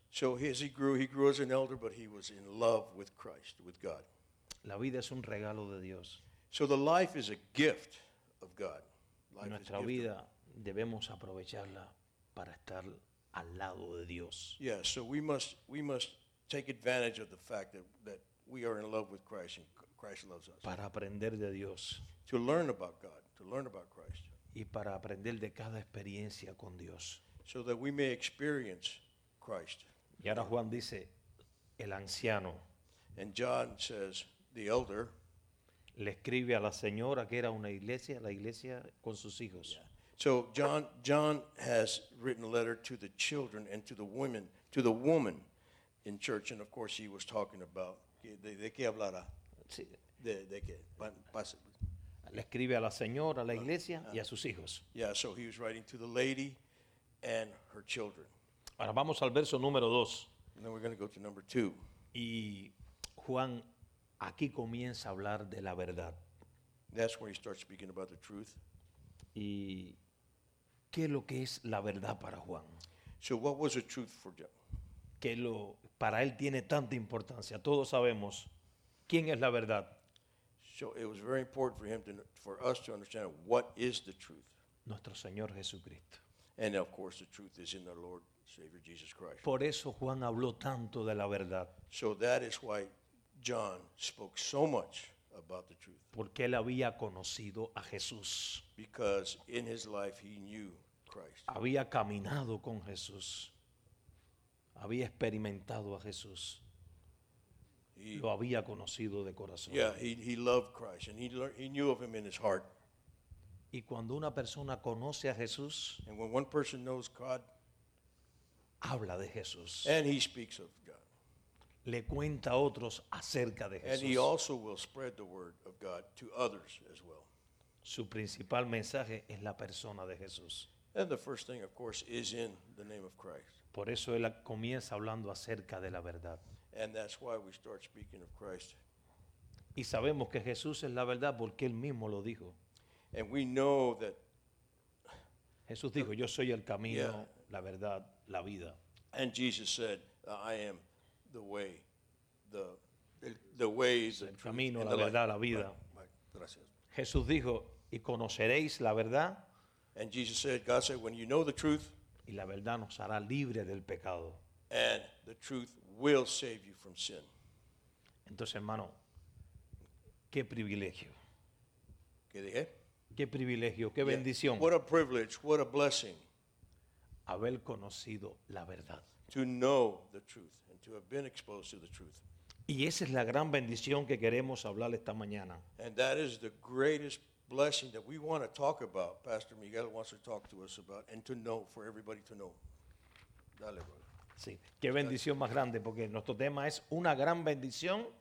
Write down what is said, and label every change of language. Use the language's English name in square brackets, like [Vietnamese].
[English] So as he grew as an elder, but he was in love with Christ, with God. [Spanish] La vida es un regalo de Dios. [English] So the life is a gift of God. [Spanish] Life nuestra vida debemos aprovecharla para estar al lado de Dios. [English] Yeah, so we must take advantage of the fact that we are in love with Christ and Christ loves us. [Spanish] Para aprender de Dios. [English] To learn about God, to learn about Christ. [Spanish] Y para aprender de cada experiencia con Dios. [English] So that we may experience Christ. [Spanish] Y ahora Juan dice, el anciano. [English] And John says, the elder. [Spanish] Le escribe a la señora que era una iglesia, la iglesia con sus hijos. [English] Yeah. So John has written a letter to the children and to the women, to the woman in church. And of course he was talking about, [Spanish] ¿de qué hablará? Sí. ¿De qué? Pase. Le escribe a la señora, a la iglesia y a sus hijos. [English] Yeah, so he was writing to the lady and her children. [Spanish] Ahora vamos al verso número dos. [English] And then we're going to go to number two. [Spanish] Y Juan aquí comienza a hablar de la verdad. [English] That's where he starts speaking about the truth. [Spanish] Y qué es lo que es la verdad para Juan. [English] So what was the truth for John? [Spanish] Que lo para él tiene tanta importancia. Todos sabemos quién es la verdad. [English] So it was very important for us to understand what is the truth. [Spanish] Nuestro Señor Jesucristo. [English] And of course, the truth is in our Lord Savior Jesus Christ. [Spanish] Por eso Juan habló tanto de la verdad. [English] So that is why John spoke so much about the truth. [Spanish] Porque él había conocido a Jesús. [English] Because in his life he knew Christ. [Spanish] Había caminado con Jesús. Había experimentado a Jesús. Lo había conocido de corazón. [English] Yeah, he loved Christ and he knew of him in his heart. [Spanish] Y cuando una persona conoce a Jesús, [English] and when one person knows God, [Spanish] habla de Jesús. [English] And he speaks of God. [Spanish] Le cuenta a otros acerca de Jesús. [English] And he also will spread the word of God to others as well. [Spanish] Su principal mensaje es la persona de Jesús. [English] And the first thing, of course, is in the name of Christ. [Spanish] Por eso él comienza hablando acerca de la verdad. [English] And that's why we start speaking of Christ. [Spanish] Y sabemos que Jesús es la verdad porque él mismo lo dijo. [English] And we know that [Spanish] Jesús dijo, yo soy el camino, yeah, la verdad, la vida. [English] And Jesus said, I am the way, the way is [Spanish] el camino, la verdad, la vida. Gracias. Jesús dijo, y conoceréis la verdad. [English] And Jesus said, God said, when you know the truth, [Spanish] y la verdad nos hará libre del pecado. [English] And the truth will save you from sin. [Spanish] Entonces, hermano, qué privilegio. ¿Qué dije? Qué privilegio, qué bendición. [English] Yeah. What a privilege, what a blessing. [Spanish] Haber conocido la verdad. [English] To know the truth and to have been exposed to the truth. [Spanish] Y esa es la gran bendición que queremos hablar esta mañana. [English] And that is the greatest blessing that we want to talk about. Pastor Miguel wants to talk to us about and to know, for everybody to know. [Spanish] Dale, brother. Sí, qué bendición más grande, porque nuestro tema es una gran bendición.